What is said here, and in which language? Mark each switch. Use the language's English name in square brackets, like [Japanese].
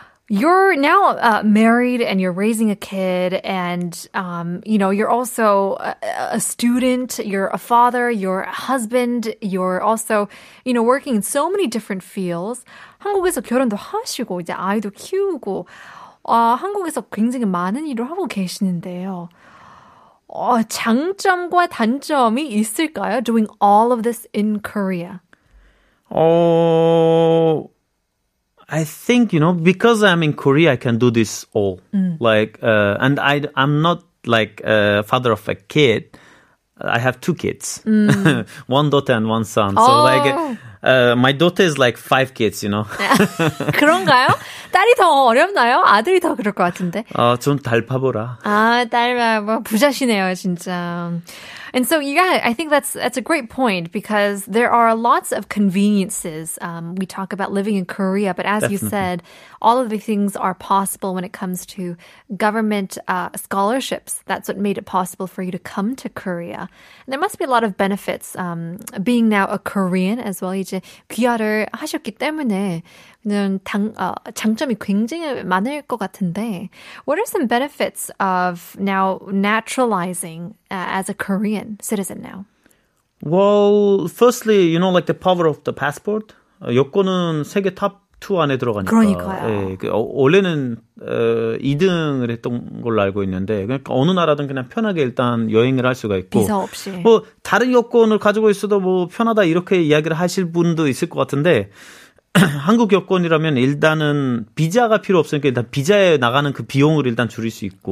[English] You're now married and you're raising a kid and, you know, you're also a student, you're a father, you're a husband, you're also, you know, working in so many different fields. [Korean] 한국에서 결혼도 하시고, 이제 아이도 키우고, 한국에서 굉장히 많은 일을 하고 계시는데요. 장점과 단점이 있을까요? [English] Doing all of this in Korea. I think, you know, because I'm in Korea, I can do this all. Like, and I'm not like a father of a kid. I have two kids. one daughter and one son. Oh. So like, my daughter is like five kids, you know. [Korean] 그런가요? 딸이 더 어렵나요? 아들이 더 그럴 것 같은데. 좀 딸 봐보라. 아, 딸 봐봐. 부자시네요, 진짜. [English] And so, yeah, I think that's a great point because there are lots of conveniences. We talk about living in Korea, but as Definitely. You said, all of the things are possible when it comes to government scholarships. That's what made it possible for you to come to Korea. And there must be a lot of benefits being now a Korean as well. [Korean] 이제 귀화를 하셨기 때문에 장점이 굉장히 많을 것 같은데. [English] What are some benefits of now naturalizing as a Korean citizen now? Well, firstly, you know, like the power of the passport. [Korean] 여권은 세계 탑2 안에 들어가니까. 그러니까요. 네, 원래는 2등을 했던 걸로 알고 있는데 그러니까 어느 나라든 그냥 편하게 일단 여행을 할 수가 있고 비서 없이. 뭐 다른 여권을 가지고 있어도 뭐 편하다 이렇게 이야기를 하실 분도 있을 것 같은데 한국 여권이라면 일단은 비자가 필요 없으니까 일단 비자에 나가는 그 비용을 일단 줄일 수 있고